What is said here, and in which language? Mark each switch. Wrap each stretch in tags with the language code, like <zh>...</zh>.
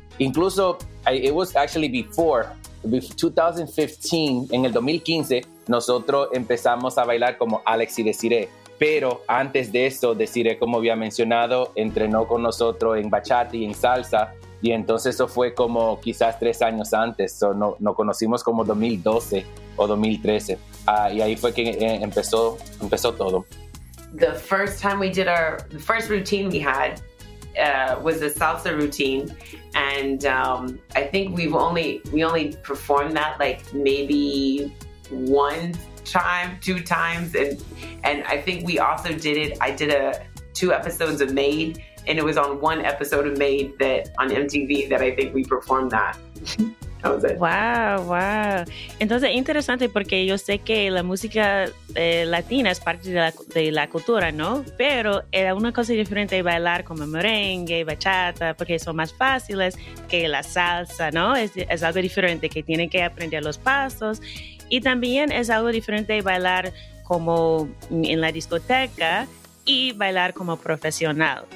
<es>Incluso,</es> <en>it was actually before,</en> <es>2015, en el 2015, nosotros empezamos a bailar como Alex y Desiree. Pero antes de eso, Desiree, como había mencionado, entrenó con nosotros en bachata y en salsa. Y entonces eso fue como quizás 3 años antes, nos conocimos como 2012 o 2013. Y ahí fue que empezó todo.</es> <en>The first time we did the first routine we had was a salsa routine. And I think we only performed that like maybe one time, two times. And I think we also did it, I did two episodes of Made. And it was on one episode of Made that on MTV that I think we performed that. Wow, wow.</en> <es>Entonces, interesante porque yo sé que la música latina es parte de la cultura, ¿no? Pero era una cosa diferente bailar como merengue, bachata, porque son más fáciles que la salsa, ¿no? Es algo diferente que tienen que aprender los pasos. Y también es algo diferente bailar como en la discoteca y bailar como profesional.</es>